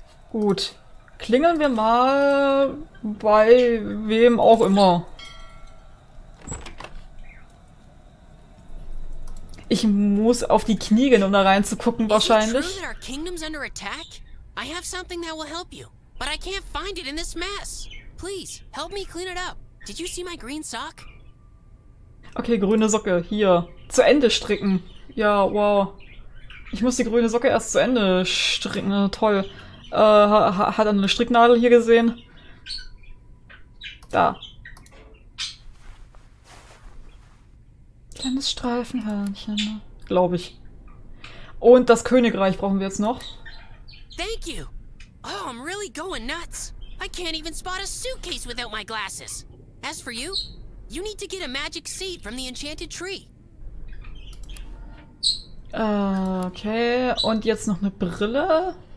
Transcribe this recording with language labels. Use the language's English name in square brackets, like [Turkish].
[German] Gut. Klingeln wir mal bei wem auch immer. Ich muss auf die Knie gehen, um da reinzugucken, wahrscheinlich. Ist es wahr, dass unser Königreich unter Attack ist? Ich habe etwas, das dir helfen wird. Aber ich kann es in diesem Mess nicht finden. [English] Please, help me clean it up. Did you see my green sock? [German] Okay, grüne Socke, hier. Zu Ende stricken. Ja, wow. Ich muss die grüne Socke erst zu Ende stricken. Toll. Hat er eine Stricknadel hier gesehen? Da. Kleines Streifenhörnchen. Glaube ich. Und das Königreich brauchen wir jetzt noch. [English] Thank you. Oh, I'm really going nuts. I can't even spot a suitcase without my glasses. As for you, you need to get a magic seed from the enchanted tree. [German] Okay, und jetzt noch eine Brille.